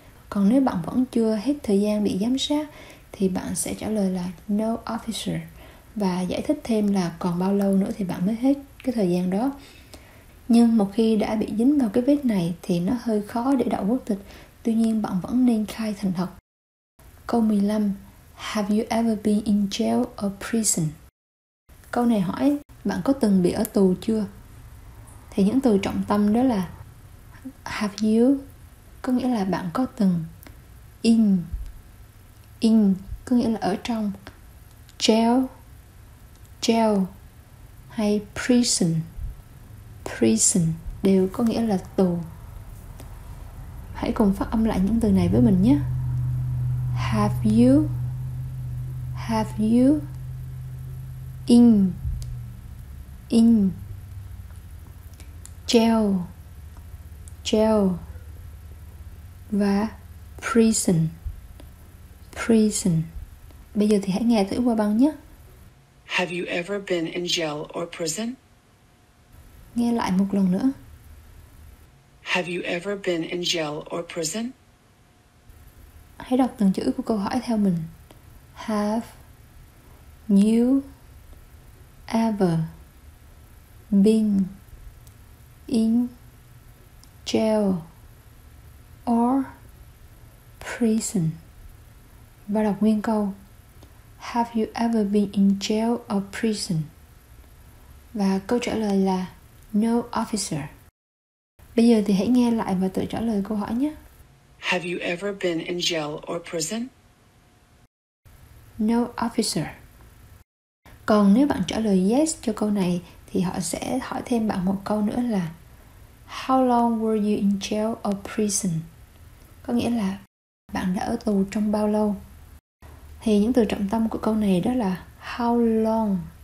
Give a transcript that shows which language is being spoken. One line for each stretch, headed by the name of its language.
Vietnamese: Còn nếu bạn vẫn chưa hết thời gian bị giám sát, thì bạn sẽ trả lời là
English: no, officer.
Vietnamese: Và giải thích thêm là còn bao lâu nữa thì bạn mới hết cái thời gian đó. Nhưng một khi đã bị dính vào cái vết này thì nó hơi khó để đậu quốc tịch. Tuy nhiên bạn vẫn nên khai thành thật. Câu 15.
English: Have you ever been in jail or prison?
Vietnamese: Câu này hỏi bạn có từng bị ở tù chưa? Thì những từ trọng tâm đó là
English: have you,
Vietnamese: có nghĩa là bạn có từng, in có nghĩa là ở trong, jail hay prison. Prison đều có nghĩa là tù. Hãy cùng phát âm lại những từ này với mình nhé.
English: Have you? Have you? In. In. Jail. Jail. Và prison. Prison.
Vietnamese: Bây giờ thì hãy nghe thử qua băng nhé.
English: Have you ever been in jail or prison?
Vietnamese: Nghe lại một lần nữa.
English: Have you ever been in jail or prison?
Vietnamese: Hãy đọc từng chữ của câu hỏi theo mình.
English: Have you ever been in jail or prison?
Vietnamese: Và đọc nguyên câu.
English: Have you ever been in jail or prison?
Vietnamese: Và câu trả lời là
English: no, officer.
Vietnamese: Bây giờ thì hãy nghe lại và tự trả lời câu hỏi nhé.
English: Have you ever been in jail or prison? No, officer.
Vietnamese: Còn nếu bạn trả lời yes cho câu này thì họ sẽ hỏi thêm bạn một câu nữa là
English: how long were you in jail or prison?
Vietnamese: Có nghĩa là bạn đã ở tù trong bao lâu? Thì những từ trọng tâm của câu này đó là
English: how long.